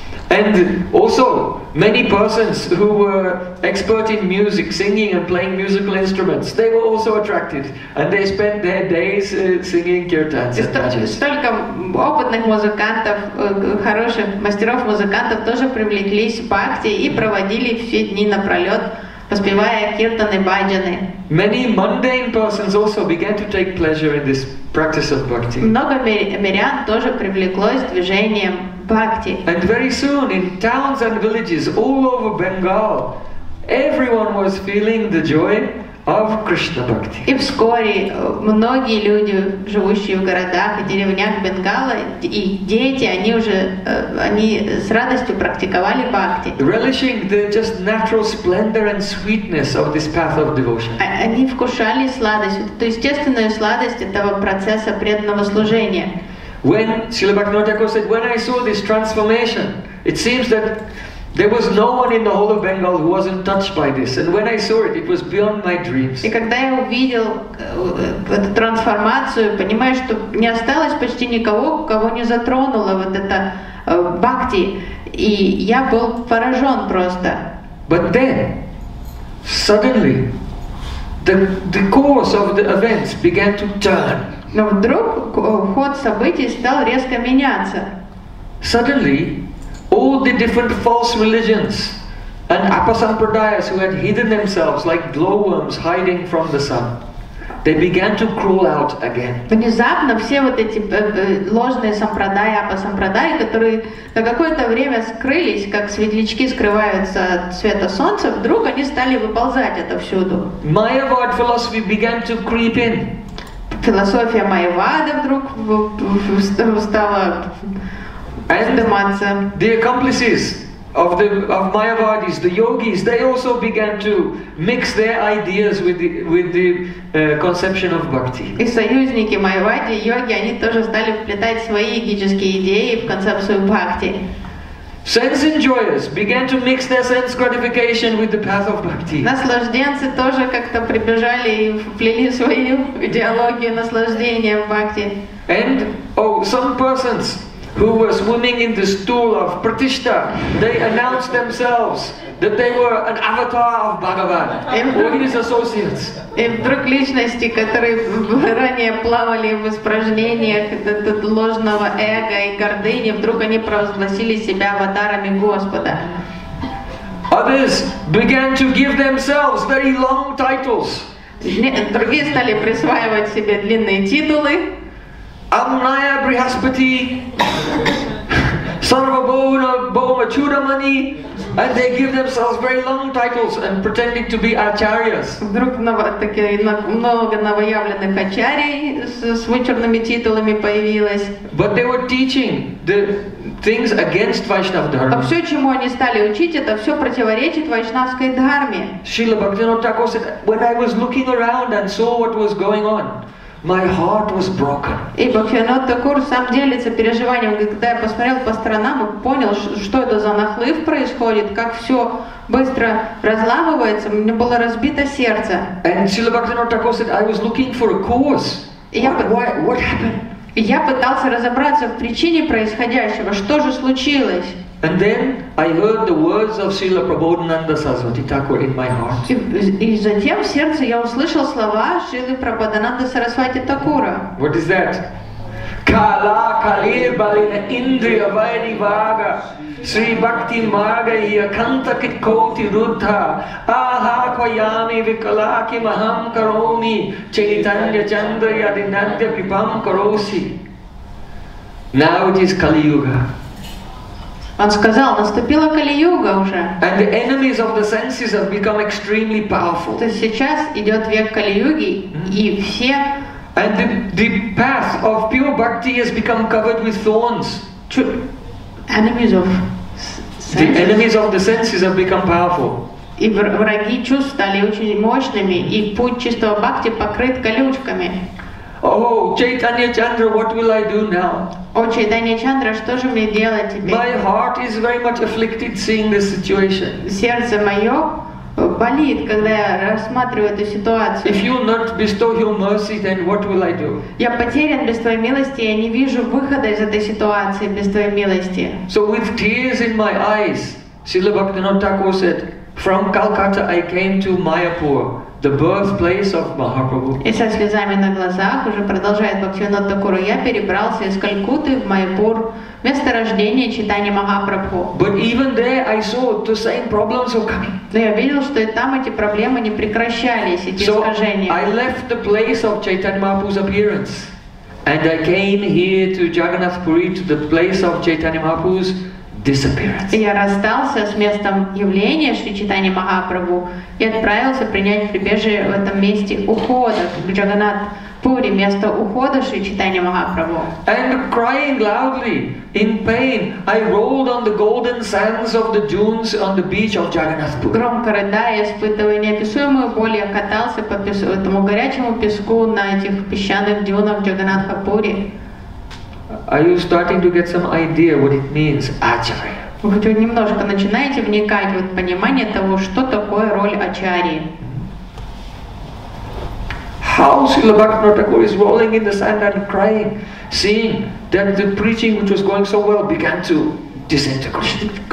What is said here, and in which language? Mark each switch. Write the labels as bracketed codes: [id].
[en] And also many persons who were expert in music, singing and playing musical instruments, they were also attracted, and they spent their days singing kirtans. [ru] Столько опытных музыкантов, хороших мастеров музыкантов тоже привлеклись в бхакти и проводили все дни напролет, поспевая киртаны, баджаны. [en] Many mundane persons also began to take pleasure in this practice of bhakti. [ru] Много мирян тоже привлеклось движением. [en] And very soon, in towns and villages all over Bengal, everyone was feeling the joy of Krishna bhakti. [ru] И вскоре многие люди, живущие в городах и деревнях Бенгала, и дети, они с радостью практиковали бхакти. [en] Relishing the just natural splendor and sweetness of this path of devotion. [ru] Они вкушали сладость, вот эту естественную сладость этого процесса преданного служения. [en] When Srila Bhaktivinoda Thakur said, when I saw this transformation, it seems that there was no one in the whole of Bengal who wasn't touched by this. And when I saw it, it was beyond my dreams. [ru] И когда я увидел эту трансформацию, понимаю, что не осталось почти никого, кого не затронуло вот это бхакти, и я был поражен просто. [en] But then, suddenly, the course of the events began to turn. [ru] Но вдруг ход событий стал резко меняться. [en] Suddenly, all the different false religions and apasampradayas who had hidden themselves like glowworms hiding from the sun, they began to crawl out again. [ru] Внезапно все вот эти ложные сампрадаи, апасампрадаи, которые на какое-то время скрылись, как светлячки скрываются от света солнца, вдруг они стали выползать отовсюду. [en] Mayavad philosophy began to creep in. [ru] Философия Майявады вдруг стала вздыматься. [en] The accomplices of Mayavadis, the yogis, they also began to mix their ideas with the conception of bhakti. [ru] И союзники Майявады, йоги, они тоже стали вплетать свои йогические идеи в концепцию бхакти. [en] Sense enjoyers began to mix their sense gratification with the path of bhakti. [ru] Наслажденцы тоже как-то прибежали и вплели свою идеологию наслаждения в бхакти. [en] And some persons who were swimming in the stool of pratishtha, they announced themselves that they were an avatar of Bhagavan or his associates. [ru] И вдруг личности, которые ранее плавали в испражнениях ложного эго и гордыни, вдруг они провозгласили себя аватарами Господа. [en] Others began to give themselves very long titles. [ru] Другие стали присваивать себе длинные титулы. [en] Амная Брихаспати, Сарвабхоуна Бхоума Чудамани, and they give themselves very long titles and pretending to be acharyas. [ru] Вдруг много новоявленных ачарий с вычурными титулами появилось. [en] But they were teaching the things against Vaishnava Dharma. [ru] А все, чему они стали учить, это все противоречит вайшнавской дхарме. [en] Srila Bhaktivinoda Thakur said, when I was looking around and saw what was going on, my heart was broken. [ru] И Бхактивинода Такур сам делится переживанием, когда я посмотрел по сторонам и понял, что это за нахлыв происходит, как все быстро разламывается, у меня было разбито сердце. [en] And Srila Bhaktivinoda Thakur said, I was looking for a cause. What happened? [ru] Я пытался разобраться в причине происходящего, что же случилось. [en] And then I heard the words of Srila Prabodhananda Saraswati Thakur in my heart. [ru] И затем в сердце я услышал слова Шрилы Прабхудананды Сарасвати Такура. [en] What is that? [sa] Kala kalir balina indriya vairi vaga Sri Bhakti Maga Yakanta Kitkoti Ruddha Ahakwayami Vikalaki Maham Karomi Chaitanya Chandra Yadinandya Pipam Karosi. [en] Now it is Kali Yuga. [ru] Он сказал, наступила Кали-юга уже. [en] And the enemies of the senses have become extremely powerful. [ru] То есть сейчас идет век Кали-юги, и все... [en] And the path of pure bhakti has become covered with thorns. Enemies of senses. The enemies of the senses have become powerful. [ru] И враги чувств стали очень мощными, и путь чистого бхакти покрыт колючками. [en] Oh, Chaitanya Chandra, what will I do now? [ru] О, Чайтанья Чандра, что же мне делать теперь? [en] My heart is very much afflicted seeing this situation. [ru] Сердце мое болит, когда я рассматриваю эту ситуацию. [en] If you not bestow your mercy, then what will I do? [ru] Я потерян без твоей милости, я не вижу выхода из этой ситуации без твоей милости. [en] So with tears in my eyes, Srila Bhaktivinoda Thakur said, from Calcutta I came to Mayapur. The birthplace of Mahaprabhu. [ru] И со слезами на глазах уже продолжает Бхактивинода Такура. Я перебрался из Калькутты в Майпур, место рождения Чайтаньи Махапрабху. [en] But even there I saw the same problems were coming. [ru] Но я видел, что и там эти проблемы не прекращались, эти искажения. [en] So I left the place of Chaitanya Mahaprabhu's appearance, and I came here to Jagannath Puri to the place of Chaitanya Mahaprabhu's disappearance. [ru] Я расстался с местом явления Шри Чайтаньи Махапрабху и отправился принять прибежище в этом месте ухода, в Джаганнат Пури, место ухода Шри Чайтаньи Махапрабху. [en] And crying loudly in pain, I rolled on the golden sands of the dunes on the beach of Jagannath Puri. [ru] Громко рыдая, испытывая неописуемую боль, я катался по этому горячему песку на этих песчаных дюнах Джаганнатха Пури. [en] Are you starting to get some idea what it means, Acharya? [ru] Вы хоть немножко начинаете вникать в понимание того, что такое роль Ачарьи? [en] How Srila Bhaktivinoda Thakur is rolling in the sand and crying, seeing that the preaching which was going so well began to disintegrate.